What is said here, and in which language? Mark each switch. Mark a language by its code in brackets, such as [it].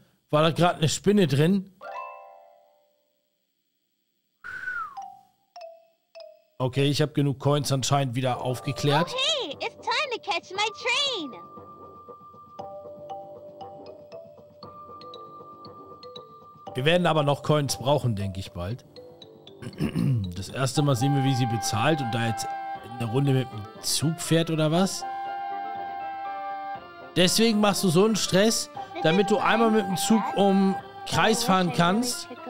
[de] War da gerade eine Spinne drin? Okay, ich habe genug Coins anscheinend wieder aufgeklärt. [en] Oh, hey, it's time to catch my train. [de] Wir werden aber noch Coins brauchen, denke ich bald. Das erste Mal sehen wir, wie sie bezahlt und da jetzt eine Runde mit dem Zug fährt oder was? Deswegen machst du so einen Stress, damit du einmal mit dem Zug um Kreis fahren kannst.